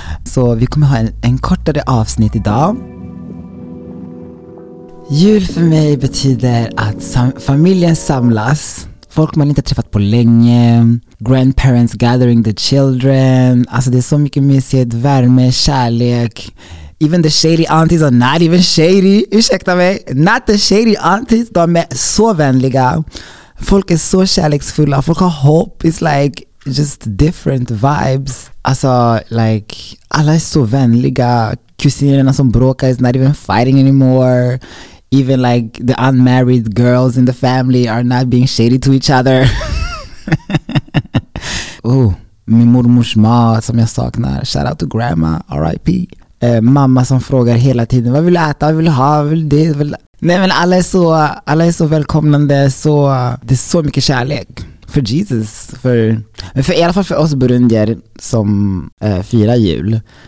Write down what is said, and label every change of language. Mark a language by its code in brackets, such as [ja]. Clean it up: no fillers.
[sv] Så vi kommer ha en kortare avsnitt idag. Jul för mig betyder att familjen samlas. Folk man inte träffat på länge. [en] Grandparents gathering the children. [sv] Alltså det är så mycket mysigt, värme, kärlek. [en] Even the shady aunties are not even shady. [sv] Ursäkta mig. [en] Not the shady aunties. [sv] De är så vänliga. Folk är så kärleksfulla. Folk har hopp. [en] It's like just different vibes. [sv] Alltså like alla är så vänliga. Kusinerna som bråkar [en] is not even fighting anymore. Even like the unmarried girls in the family are not being shady to each other. [sv] Oh, min mormors mat som jag saknar. [en] Shout out to grandma. [sv] R.I.P. Mamma som frågar hela tiden, vad vill du äta, vad vill du ha, vad vill du? Nej men alla är så välkomnande, så det är så mycket kärlek för Jesus, för i alla fall för oss burundier som firar jul.